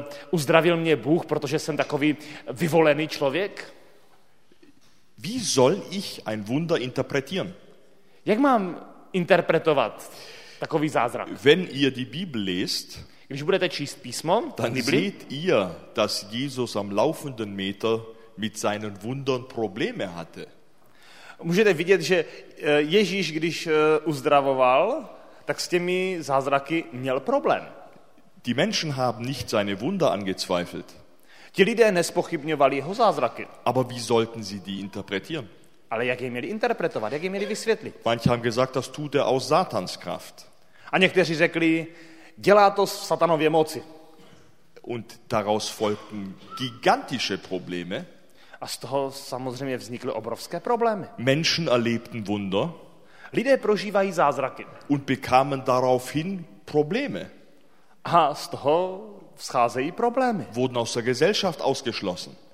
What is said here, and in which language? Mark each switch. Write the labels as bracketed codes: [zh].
[cs] Uzdravil mě Bůh, protože jsem takový vyvolený člověk? [de] Wie soll ich ein Wunder interpretieren? [cs] Jak mám interpretovat takový zázrak? [de] Wenn ihr die Bibel lest, [cs] když budete číst písmo, [de] dann seht ihr, dass Jesus am laufenden Meter mit seinen Wundern Probleme hatte. [cs] Můžete vidět, že Ježíš, když uzdravoval, tak s těmi zázraky měl problém. [de] Die Menschen haben nicht seine Wunder angezweifelt. [cs] Ti lidé nespochybňovali jeho zázraky. [de] Aber wie sollten sie die interpretieren? [cs] Ale jak je měli interpretovat, jak je měli vysvětlit? [de] Manche haben gesagt, das tut er aus Satans Kraft. [cs] A někteří řekli, dělá to z Satanově moci. [de] Und daraus folgten gigantische Probleme. [cs] A z toho samozřejmě vznikly obrovské problémy. [de] Menschen erlebten Wunder. [cs] Lidé prožívají zázraky. [de] Und bekamen daraufhin Probleme. [cs] A z toho scházejí problémy. [de] Wurden aus der Gesellschaft ausgeschlossen.